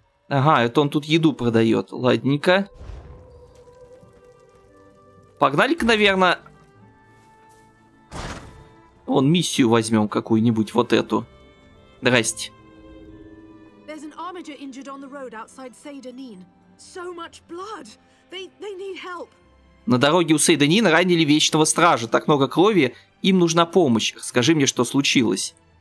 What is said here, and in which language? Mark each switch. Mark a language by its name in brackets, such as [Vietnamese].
[Russian] Ага, это он тут еду продает. Ладненько. Погнали-ка, наверное. Вон, миссию возьмем какую-нибудь, вот эту. Здрасте. [English] There's an armiger injured on the road outside Seydanin. So much blood. They need help. [Russian] На дороге у Сейданина ранили Вечного Стража. Так много крови, им нужна помощь. Скажи мне, что случилось.